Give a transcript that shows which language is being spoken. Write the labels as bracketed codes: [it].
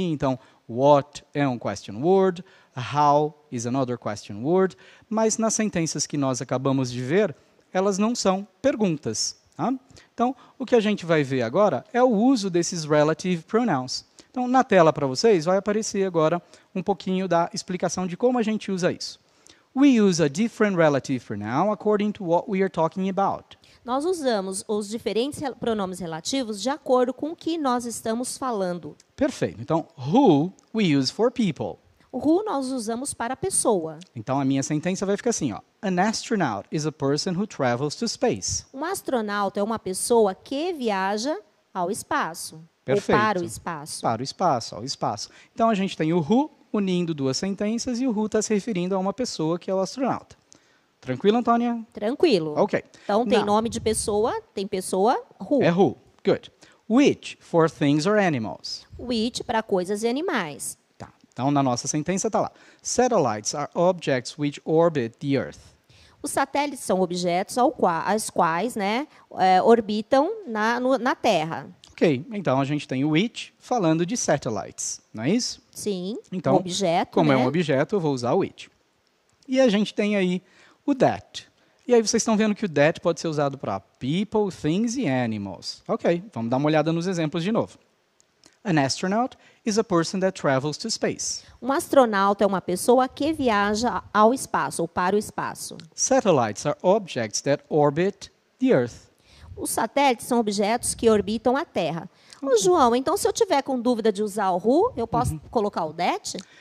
[en] Então, what é um question word, how is another question word. [pt] Mas nas sentenças que nós acabamos de ver, elas não são perguntas. Tá? Então, o que a gente vai ver agora é o uso desses relative pronouns. Então, na tela para vocês, vai aparecer agora um pouquinho da explicação de como a gente usa isso. [en] We use a different relative pronoun according to what we are talking about. [pt] Nós usamos os diferentes pronomes relativos de acordo com o que nós estamos falando. Perfeito. Então, [en] who we use for people. [pt] Who nós usamos para pessoa. Então, a minha sentença vai ficar assim, ó. [en] An astronaut is a person who travels to space. [pt] Um astronauta é uma pessoa que viaja ao espaço. Perfeito. Ou para o espaço. Para o espaço, ao espaço. Então, a gente tem o who unindo duas sentenças e o who está se referindo a uma pessoa que é o astronauta. Tranquilo, Antônia? Tranquilo. Ok. Então, tem nome de pessoa, tem pessoa, who. [en] É who. Good. Which for things or animals? [pt] Which para coisas e animais. Tá. Então, na nossa sentença está lá. [en] Satellites are objects which orbit the Earth. [pt] Os satélites são objetos aos quais, né, orbitam na Terra. Ok, então a gente tem o which falando de satellites, não é isso? Sim, então, um objeto. Como né? É um objeto, eu vou usar o which. E a gente tem aí o that. E aí vocês estão vendo que o that pode ser usado para people, things e animals. Ok, vamos dar uma olhada nos exemplos de novo. [en] An astronaut is a person that travels to space. [pt] Um astronauta é uma pessoa que viaja ao espaço ou para o espaço. [en] Satellites are objects that orbit the Earth. [pt] Os satélites são objetos que orbitam a Terra. Okay. Ô, João, então se eu tiver com dúvida de usar o who, eu posso colocar o that?